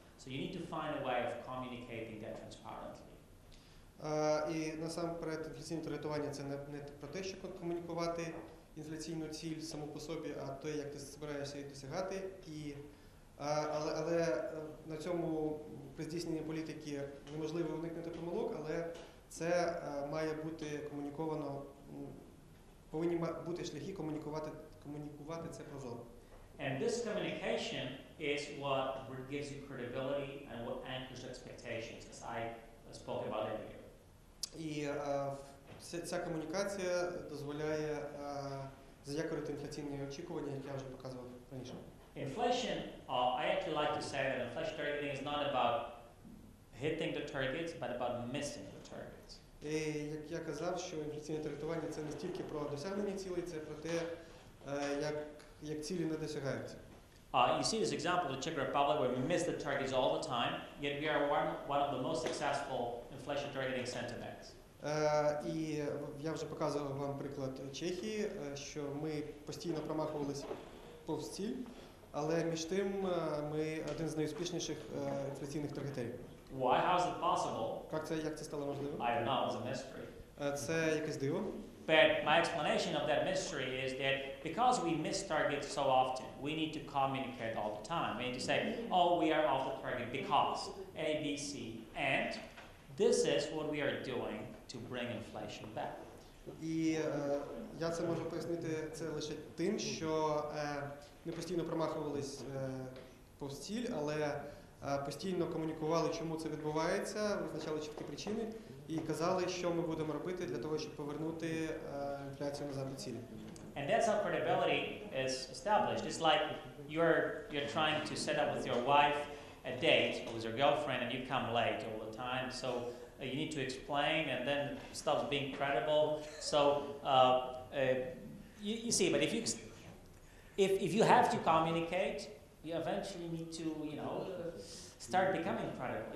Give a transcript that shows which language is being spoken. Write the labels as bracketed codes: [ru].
[en] So you need to find a way of communicating that transparently. [uk] І насамперед, інфляційне таргетування це не про те, щоб комунікувати інфляційну ціль саму по собі, а то, як ти збираєшся її досягати. Але на цьому при здійсненні політики неможливо уникнути помилок, але це має бути комуніковано, повинні бути шляхи комунікувати це прозоро. [en] And this communication is what gives you credibility and what anchors expectations, as I spoke about earlier. [uk] І ця комунікація дозволяє заякорити інфляційні очікування, як я вже показував раніше. [en] Inflation, I actually like to say that inflation targeting is not about hitting the targets, but about missing the targets. [uk] І як я казав, що інфляційне таргетування це не стільки про досягнення цілей, це про те, як цілі не досягаються. [en] You see this example of the Czech Republic where we miss the targets all the time, yet we are one of the most successful inflation targeting center banks. [uk] І я вже показував вам приклад Чехії, що ми постійно промахувались повз ціль, але між тим ми один з найуспішніших інфляційних таргетерів. [en] Why? How is it possible? [uk] Як це стало можливим? [en] I don't know, it's a mystery. [uk] Це якесь диво. [en] But my explanation of that mystery is that because we miss targets so often, we need to communicate all the time. We need to say, oh, we are off the target because A, B, C, and this is what we are doing to bring inflation back. [uk] І я це можу пояснити це лише тим, що ми постійно промахувались повз ціль, але постійно комунікували, чому це відбувається, визначали чіткі причини і казали, що ми будемо робити для того, щоб повернути інфляцію назад до цілі. [en] And that's how credibility is established. It's like you're trying to set up with your wife a date or with your girlfriend and you come late all the time. So you need to explain and then stops being credible. So you see, but if you have to communicate, you eventually need to, you know, start becoming credible.